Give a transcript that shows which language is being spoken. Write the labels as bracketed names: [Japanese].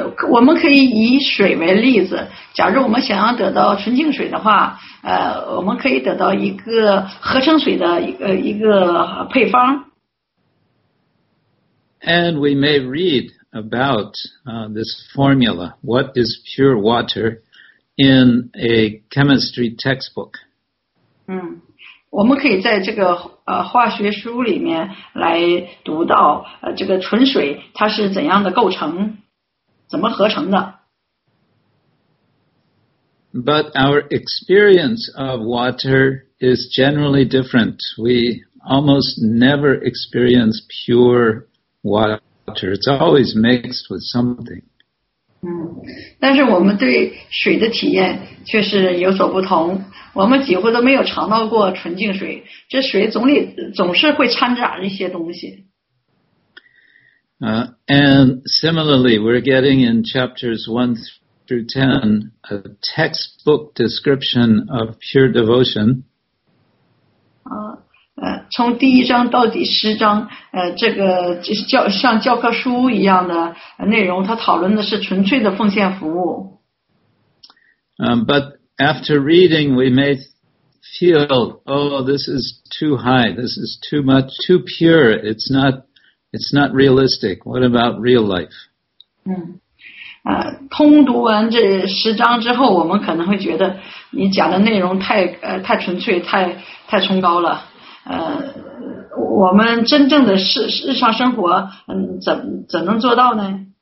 [Chinese] 我们可以以水为例子，假如我们想要得到纯净水的话，我们可以得到一个合成水的一个配方。 [English] And we may read about this formula, what is pure water, in a chemistry textbook. [Chinese] 我们可以在这个化学书里面来读到这个纯水它是怎样的构成，怎么合成的。 [English] But our experience of water is generally different. We almost never experience pure water. It's always mixed with something. [Chinese] 但是我们对水的体验却是有所不同。我们几乎都没有尝到过纯净水，这水总是会掺杂一些东西。 [English] And similarly, we're getting in chapters 1 through 10 a textbook description of pure devotion. [Chinese] 从第一章到第十章，这个像教科书一样的内容，它讨论的是纯粹的奉献服务。 [English] But after reading, we may feel, oh, this is too high, this is too much, too pure, it's not realistic. What about real life? [Chinese] 通读完这十章之后，我们可能会觉得你讲的内容太纯粹，太崇高了。我们真正的日常生活，怎能做到呢？